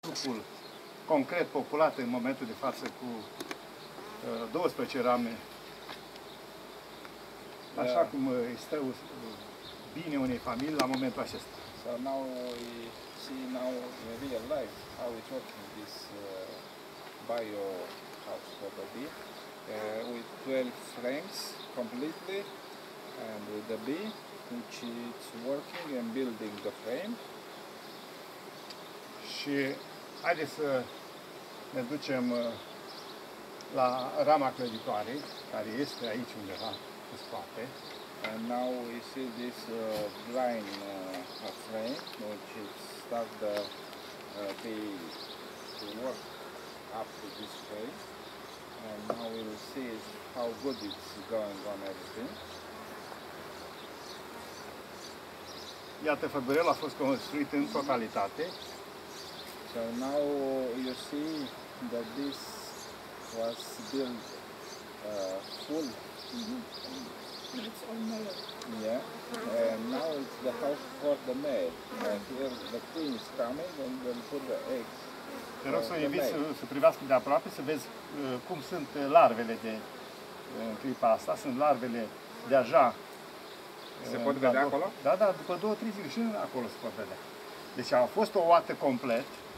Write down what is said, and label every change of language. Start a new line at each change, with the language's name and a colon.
Romanian: trupul concret populat în momentul de față cu 12 rame. Așa cum este bine unei familii la momentul acesta.
English: So now we see now in real life how it works in this bio house property with 12 frames completely and with the bee which is working and building the frame.
Romanian: Și haideți să ne ducem la rama clădicoare care este aici undeva în spate.
English: And now we see this blind frame which start to work after this phase. And now we will see how good it's going on everything.
Romanian: Iată, făgurelul a fost construit în totalitate.
English: So now you see that this was built full. It's all male. Yeah, and now it's the house for the male. And here the queen is coming and then put the eggs.
Romanian: Te rog să invit să privească de aproape, să vezi cum sunt larvele de în clipa asta. Sunt larvele deja. Se pot vedea acolo? Da, da, după 2-3 zile și acolo se pot vedea. Deci a fost o oată complet.